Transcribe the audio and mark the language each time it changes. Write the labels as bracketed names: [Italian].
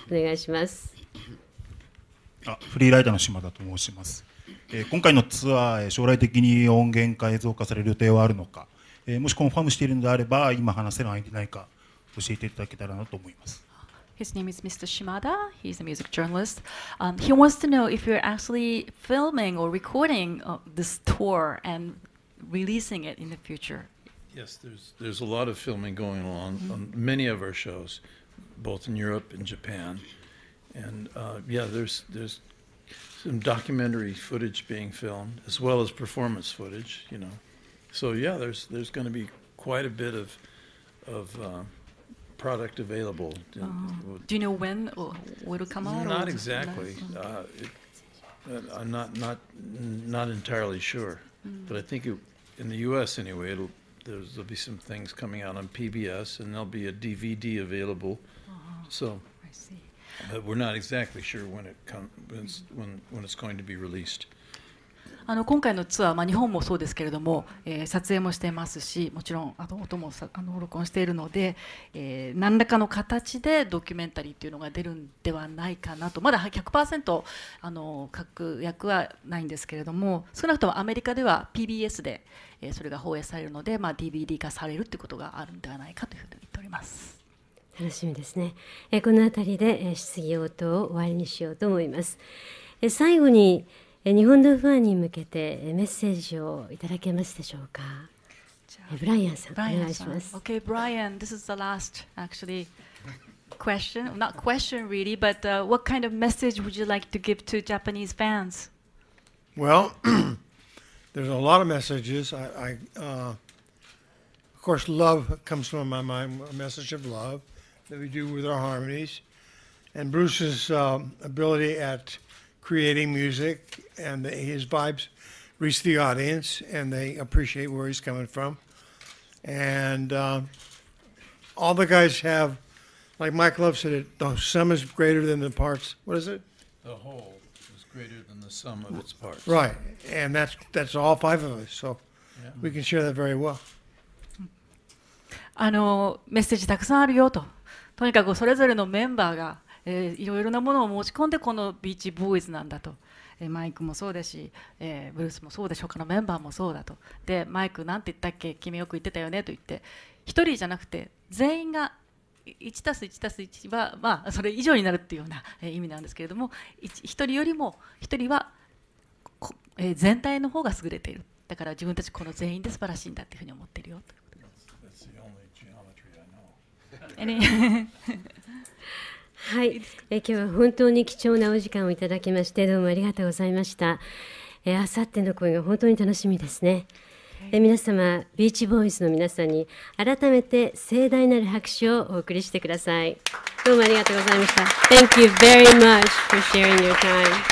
[Japanese] お願いします。フリーライターの島田と申します。今回のツアー、将来的に音源化、映像化される予定はあるのか、もしコンファームしているのであれば、今話せる相手ないか教えていただけたらなと思います。 [English] His name is Mr. Shimada. He's a music journalist. He wants to know if you're actually filming or recording this tour and releasing it in the future. Yes, there's a lot of filming going on, mm-hmm. on many of our shows, both in Europe and Japan. And there's some documentary footage being filmed, as well as performance footage, you know. So yeah, there's going to be quite a bit of product available. Do you know when it will come out? Not exactly. I'm not entirely sure. Mm. But I think in the U.S. anyway, there'll be some things coming out on PBS, and there'll be a DVD available. Oh, so, I see. But we're not exactly sure when it's going to be released. [Japanese] 今回のツアー、日本もそうですけれども、撮影もしていますし、もちろん音も録音しているので、何らかの形でドキュメンタリーというのが出るんではないかなと、まだ 100% 確約はないんですけれども、少なくともアメリカでは PBS で、それが放映されるので、DVD 化されるということがあるんではないかというふうに言っております。楽しみですね。このあたりで質疑応答を終わりにしようと思います。最後に日本のファンに向けてメッセージをいただけますでしょうか。ブライアンさん、お願いします。 [English] Okay, Brian, this is the last actually question. Not question really, but what kind of message would you like to give to Japanese fans? Well, there's a lot of messages. I of course, love comes from my mind, a message of love that we do with our harmonies. And Bruce's ability at creating music and his vibes reach the audience and they appreciate where he's coming from. And all the guys have, like Mike Love said, the sum is greater than the parts. What is it? The whole. The greater than the sum of its parts. Right, and that's all five of us, so we can share that very well. [Japanese] あのメッセージたくさんあるよと。とにかくそれぞれのメンバーが、いろいろなものを持ち込んでこのビーチボーイズなんだと。マイクもそうだし、ブルースもそうでしょうか、のメンバーもそうだと。で、マイクなんて言ったっけ、君よく言ってたよねと言って、一人じゃなくて全員が1たす1たす1は、まあ、それ以上になるっていうような意味なんですけれども、一人よりも一人は、全体の方が優れている。だから自分たちこの全員で素晴らしいんだっていうふうに思ってるよと。はい、今日は本当に貴重なお時間をいただきまして、どうもありがとうございました。あさっての声が本当に楽しみですね。皆様、ビーチボーイズの皆さんに改めて盛大なる拍手をお送りしてください。どうもありがとうございました。 [English] Thank you very much for sharing your time.